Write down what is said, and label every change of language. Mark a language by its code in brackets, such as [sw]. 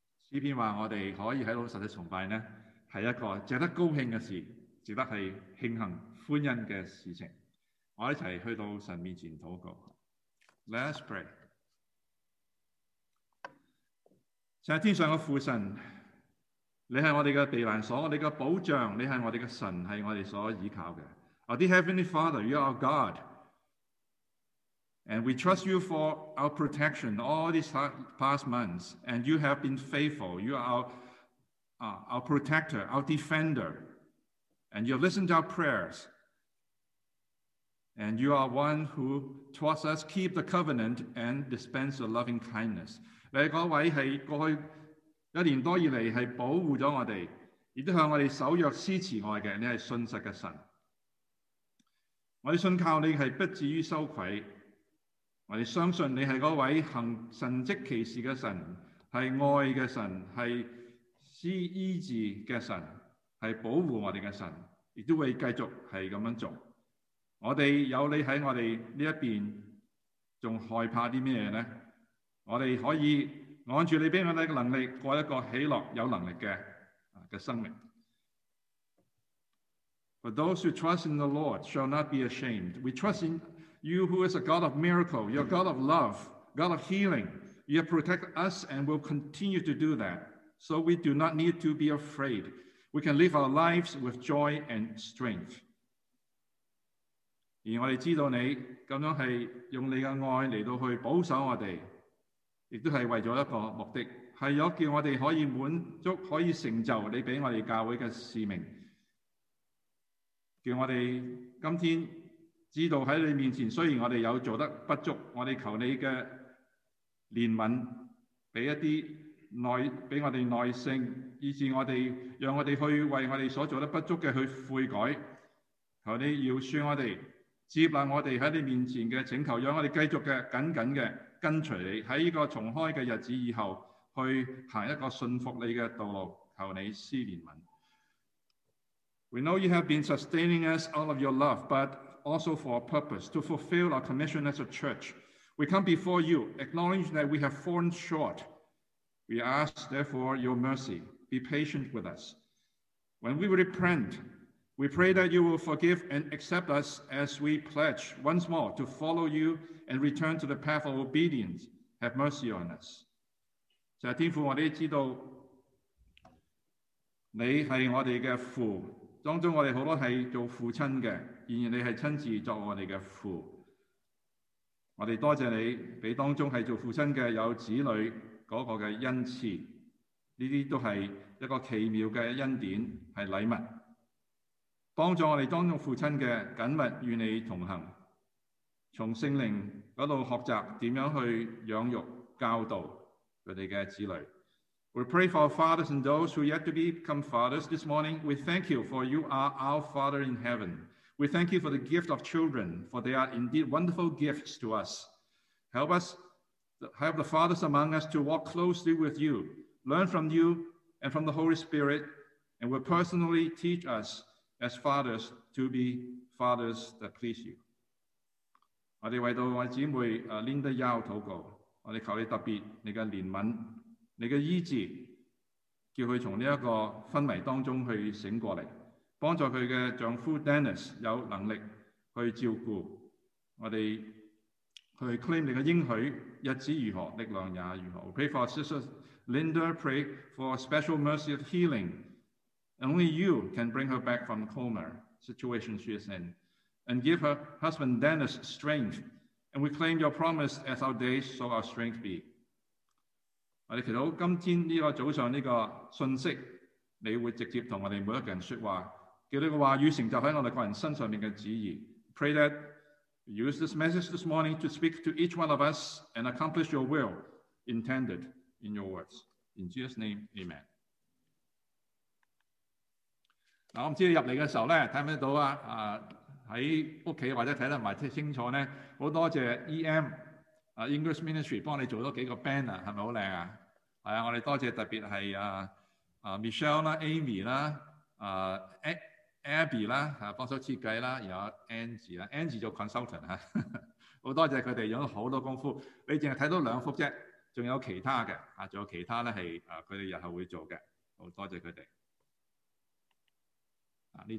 [zh] 詩篇話：我哋可以喺度實際崇拜咧，係一個值得高興嘅事，值得係慶幸歡欣嘅事情。我一齊去到神面前禱告。 [en] Let's pray。 [zh] 在天上嘅父神，你係我哋嘅避難所，你嘅保障，你係我哋嘅神，係我哋所倚靠嘅。 [en] Our dear Heavenly Father, you are our God, and we trust you for our protection all these past months, and you have been faithful. You are our protector, our defender, and you have listened to our prayers, and you are one who trusts us, keep the covenant, and dispense the loving kindness. [zh] 你各位是过去一年多以来是保护了我们，也都向我们守约施慈爱的，你是信实的神。我们信靠你是不至于羞愧，我们相信你是那位行神迹奇事的神，是爱的神，是施医治的神，是保护我们的神，也都会继续是这样做。我们有你在我们这边，还害怕什么呢？我们可以按着你给我们的能力，过一个喜乐有能力 的生命。 [en] For those who trust in the Lord shall not be ashamed. We trust in you who is a God of miracle, you're a God of love, God of healing. You have protected us and will continue to do that. So we do not need to be afraid. We can live our lives with joy and strength. [zh] 而我们知道你这样是用你的爱来到去保守我们，也都是为了一个目的，是要叫我们可以满足，可以成就你给我们教会的使命。叫我们今天知道在你面前，虽然我们有做得不足，我们求你的怜悯，给一些耐，给我们耐性，以致我们让我们去为我们所做得不足的去悔改。求你饶恕我们，接纳我们在你面前的请求，让我们继续的紧紧的跟随你，在这个重开的日子以后去行一个信服你的道路。求你施怜悯。 [en] We know you have been sustaining us out of your love, but also for a purpose, to fulfill our commission as a church. We come before you, acknowledging that we have fallen short. We ask, therefore, your mercy. Be patient with us. When we repent, we pray that you will forgive and accept us as we pledge once more to follow you and return to the path of obedience. Have mercy on us. [zh] 在天父，我们知道你是我们的父，当中我们很多是做父亲的，然而你是亲自作我们的父。我们多谢你给当中是做父亲的有子女那个的恩赐，这些都是一个奇妙的恩典，是礼物，帮助我们当中父亲的紧密与你同行，从圣灵那里学习怎样去养育教导他们的子女。 [en] We pray for our fathers and those who yet to become fathers this morning. We thank you for you are our Father in heaven. We thank you for the gift of children, for they are indeed wonderful gifts to us. Help us, help the fathers among us to walk closely with you, learn from you and from the Holy Spirit, and will personally teach us as fathers to be fathers that please you. [zh] 我们为到我姊妹Linda Yao祷告，我们求你特别你的怜悯，你的医治，叫他从这个昏迷当中去醒过来，帮助他的丈夫 Dennis 有能力去照顾我们，去 claim 你的应许，日子如何，力量也如何。 [en] We pray for Sister Linda, pray for a special mercy of healing. Only you can bring her back from the coma situation she is in. And give her husband Dennis strength. And we claim your promise as our days, so our strength be. [zh] 我们祈祷今天这个早上这个信息，你会直接同我们每一个人说话，叫这个话语成就在我们个人身上面的旨意。 [en] Pray that you use this message this morning to speak to each one of us and accomplish your will intended in your words. In Jesus' name, amen. [zh] 我不知道你进来的时候呢，看不到啊，在家里或者看得不太清楚呢，很多谢 EM。 English Ministry 幫你做了幾個 banner， 是不是很漂亮啊？我們多謝特別是Michelle、Amy、Abby 幫手設計，然後 Angie， Angie 做 consultant， 很多謝他們用了很多功夫，你只看到兩幅而已，還有其他的，還有其他是他們日後會做的，很多謝他們。